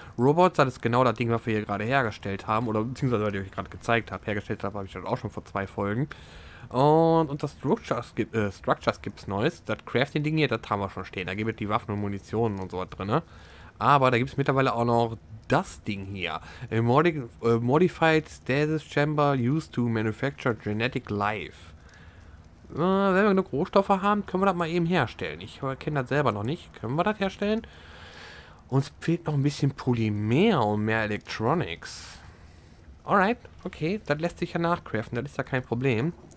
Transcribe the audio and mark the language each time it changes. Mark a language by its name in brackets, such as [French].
[German] Robots, das ist genau das Ding, was wir hier gerade hergestellt haben. Oder beziehungsweise, was ich euch gerade gezeigt habe. Hergestellt habe ich das auch schon vor 2 Folgen. Und das Structures gibt es Neues. Das Crafting-Ding hier, das haben wir schon stehen. Da gibt es die Waffen und Munitionen und so was drin. Aber da gibt es mittlerweile auch noch das Ding hier. [English] Modified Stasis Chamber used to manufacture genetic life. [German] Wenn wir genug Rohstoffe haben, können wir das mal eben herstellen. Ich kenne das selber noch nicht. Können wir das herstellen? Uns fehlt noch ein bisschen Polymer und mehr Electronics. Alright, okay. Das lässt sich ja nachcraften. Das ist ja kein Problem.